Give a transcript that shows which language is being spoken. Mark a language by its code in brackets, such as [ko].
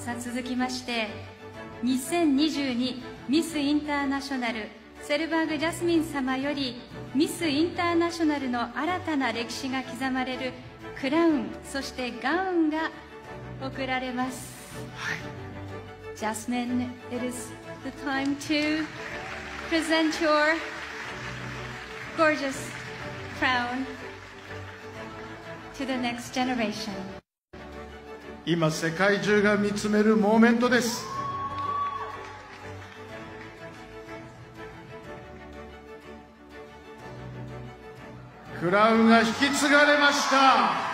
[ja] さあ続きまして2022ミスインターナショナルセルバーグ・ジャスミン様よりミスインターナショナルの新たな歴史が刻まれるクラウンそしてガウンが贈られます。はい。 [en] ジャスミン、It is the time to present your gorgeous crown to the next generation. [ja] 今世界中が見つめるモーメントです。クラウンが引き継がれました。